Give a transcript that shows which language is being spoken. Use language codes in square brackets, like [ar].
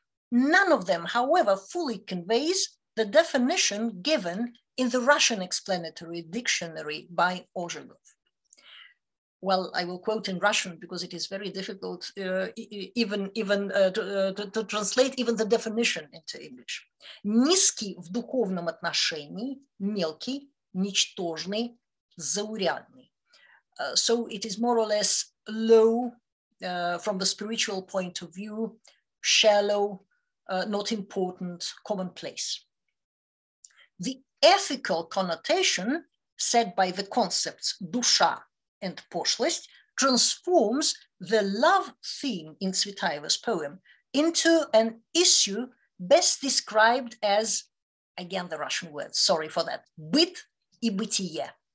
[en] None of them, however, fully conveys the definition given in the Russian explanatory dictionary by Ozhogov. Well, I will quote in Russian because it is very difficult to translate even the definition into English. [ru] Низкий в духовном отношении, мелкий, ничтожный, заурядный. [en] So it is more or less low from the spiritual point of view, shallow, not important, commonplace. The ethical connotation set by the concepts dusha and poshlist transforms the love theme in Tsvetaeva's poem into an issue best described as, again the Russian word, sorry for that, byt и бытие.